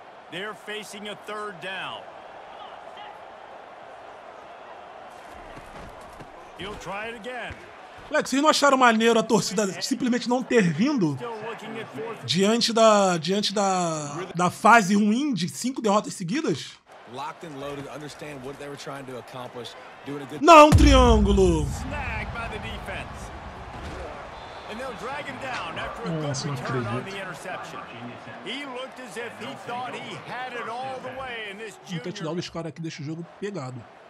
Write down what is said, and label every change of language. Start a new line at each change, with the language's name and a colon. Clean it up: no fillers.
English: They're facing a third down. He'll try it again.
Portuguese: Moleque, vocês não acharam maneiro a torcida simplesmente não ter vindo diante da fase ruim de 5 derrotas seguidas?
English: Locked and loaded, understand what they were trying to accomplish, doing a good...
Portuguese: Não, triângulo!
English: Snagged by the defense. And they'll drag him down after a good return on the interception. He looked as if he thought he had it all the way in this junior...
Portuguese: O touchdown desse cara aqui deixa o jogo pegado.